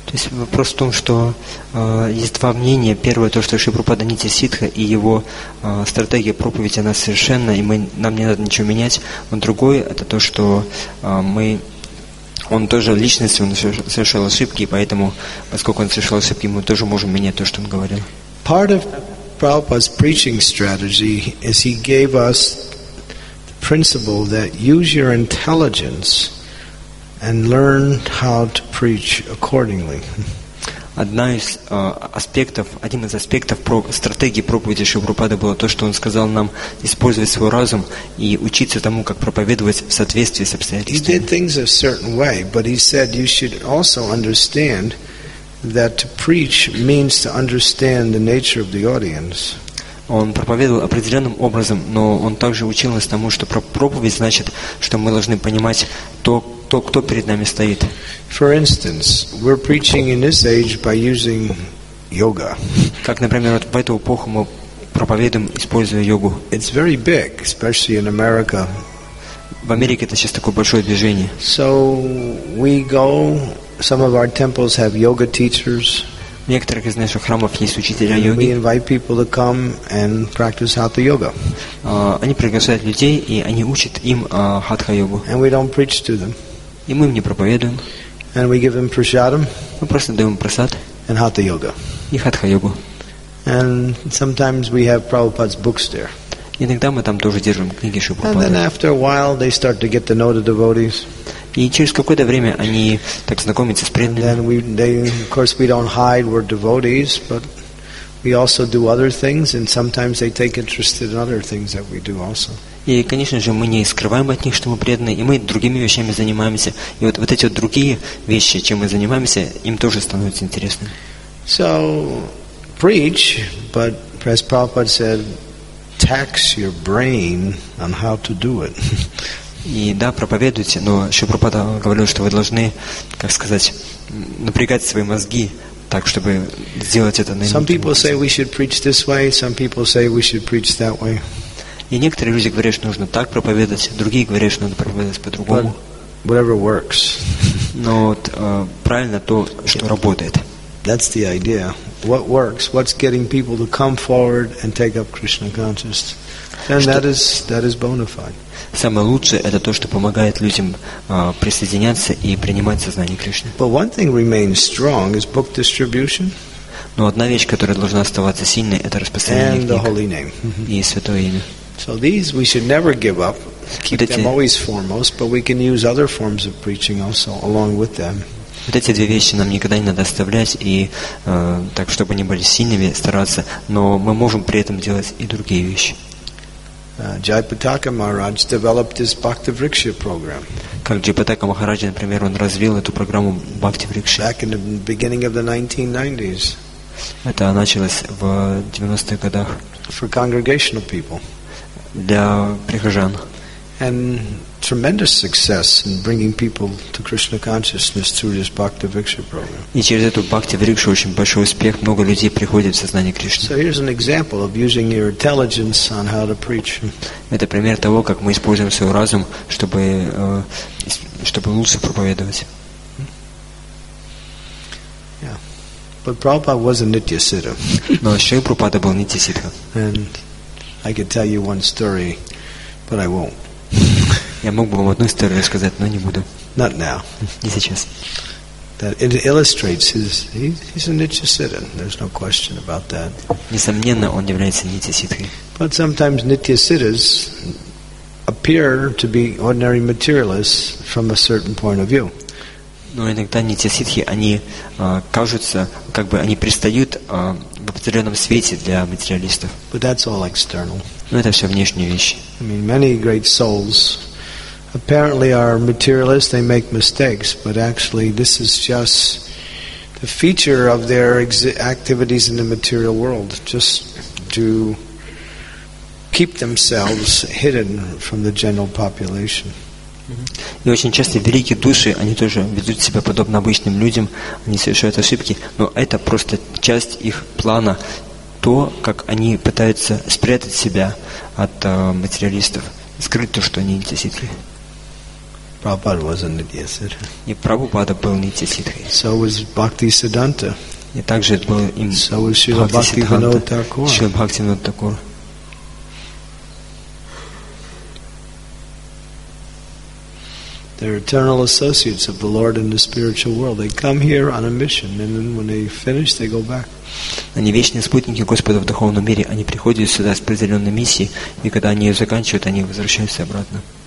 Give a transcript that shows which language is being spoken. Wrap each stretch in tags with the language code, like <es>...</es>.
<ru>Вопрос в том, что есть два мнения. Первое, то, что Шри Прабхупада Нитья Сиддха, и его стратегия проповеди, она совершенна, и нам не надо ничего менять. Но другое, это то, что он тоже личность, он совершил ошибки, и поэтому, поскольку он совершил ошибки, мы тоже можем менять то, что он говорил.</ru> <en>Part of Prabhupada's preaching strategy is he gave us the principle that use your intelligence and learn how to preach accordingly.</en> <ru>Один из аспектов стратегии проповеди Шри Прабхупады было то, что он сказал нам использовать свой разум и учиться тому, как проповедовать в соответствии с обстоятельствами.</ru> <en>He did things a certain way, but he said you should also understand that to preach means to understand the nature of the audience.</en> <ru>Он проповедовал определенным образом, но он также учил нас тому, что проповедь значит, что мы должны понимать то, кто перед нами стоит.</ru> <en>For instance, we're preaching in this age by using yoga.</en> <ru>Как, например, в эту эпоху мы проповедуем, используя йогу.</ru> <en>It's very big, especially in America.</en> <ru>В Америке это сейчас такое большое движение.</ru> <en>So we go. Some of our temples have yoga teachers.</en> <ru>В некоторых из наших храмов есть учителя йоги.</ru> <en>We invite people to come and practice hatha yoga.</en> <ru>Они приглашают людей и они учат им хатха йогу.</ru> <en>And we don't preach to them.</en> <ru>И мы им не проповедуем.</ru> <en>And we give him prasadam.</en> <ru>Мы просто даем прасад.</ru> <en>And hatha yoga.</en> <ru>И хатха йогу.</ru> <en>And sometimes we have Prabhupada's books there.</en> <ru>Иногда мы там тоже держим книги Шри Прабхупады.</ru> <en>And then after a while they start to get to know the devotees.</en> <ru>И через какое-то время они так знакомятся с преданными.</ru> <en>Then of course we don't hide we're devotees, but we also do other things, and sometimes they take interest in other things that we do also.</en> <ru>И, конечно же, мы не скрываем от них, что мы преданы, и мы другими вещами занимаемся. И вот эти вот другие вещи, чем мы занимаемся, им тоже становится интересно.</ru> <en>So preach, but as Prabhupada said, tax your brain on how to do it.</en> <ru>И да, проповедуйте, но еще Прабхупада говорил, что вы должны, как сказать, напрягать свои мозги так, чтобы сделать это наилучшим.</ru> <en>Some people say we should preach this way, some people say we should preach that way.</en> <ru>И некоторые люди говорят, что нужно так проповедовать, другие говорят, что надо проповедовать по-другому.</ru> <en>Whatever works.</en> <ru>Но вот правильно то, что работает.</ru> <en>That's the idea. What works? What's getting people to come forward and take up Krishna consciousness? And that is bona fide.</en> <ru>Самое лучшее это то, что помогает людям присоединяться и принимать сознание Кришны.</ru> <en>But one thing remains strong is book distribution.</en> <ru>Но одна вещь, которая должна оставаться сильной, это распространение книг.</ru> <en>And the holy name.</en> <ru>И святое имя.</ru> <en>So these we should never give up. Keep them always foremost, but we can use other forms of preaching also along with them.</en> <ru>Вот эти две вещи нам никогда не надо оставлять, и так, чтобы они были сильными, стараться, но мы можем при этом делать и другие вещи.</ru> <en>Jayapataka Maharaj developed this Bhakti Vriksha program.</en> <ru>Как Jayapataka Maharaj, например, он развил эту программу Bhakti Vriksha.</ru> <en>Back in the beginning of the 1990s.</en> <ru>Это началось в 90-х годах.</ru> <en>For congregational people.</en> <ru>Для прихожан.</ru> <en>And tremendous success in bringing people to Krishna consciousness through this Bhakti Vriksha program.</en> <ru>И через эту Бхакти Врикшу очень большой успех, много людей приходит в сознание Кришны.</ru> <en>So here's an example of using your intelligence on how to preach.</en> <ru>Это пример того, как мы используем свой разум, чтобы лучше проповедовать.</ru> <en>Yeah. But Prabhupada was a Nitya Siddha.</en> <ru>Но Шри Прабхупада был Нитья Сиддха.</ru> <en>And I could tell you one story, but I won't.</en> <ru>Я мог бы вам одну историю рассказать, но не буду.</ru> <en>Not now.</en> <ru>Не сейчас.</ru> <en>That it illustrates he's a Nitya Siddha. There's no question about that.</en> <ru>Несомненно, он является Нитья Сиддхой.</ru> <en>But sometimes Nitya Siddhas appear to be ordinary materialists from a certain point of view.</en> <ru>Но иногда не те ситхи, они кажутся, как бы они пристают в определенном свете для материалистов.</ru> <en>But that's all external.</en> <ru>Но это все внешние вещи.</ru> <en>I mean, many great souls apparently are materialists. They make mistakes, but actually this is just the feature of their activities in the material world. Just to keep themselves hidden from the general population.</en> <ru>И очень часто великие души, они тоже ведут себя подобно обычным людям, они совершают ошибки, но это просто часть их плана, то, как они пытаются спрятать себя от материалистов, скрыть то, что они не те ситхи.</ru> <en>Prabhupada wasn't a yesir.</en> <ru>И Прабхупада был не те ситхи.</ru> <en>So was Bhakti Siddhanta.</en> <ru>И также был им</ru> <en>so was Shila Bhakti Vinod Thakur. Shila Bhakti Vinod Thakur. They're eternal associates of the Lord in the spiritual world. They come here on a mission, and then when they finish, they go back.</en> <ru>Они вечные спутники Господа в духовном мире. Они приходят сюда с определенной миссией, и когда они ее заканчивают, они возвращаются обратно.</ru>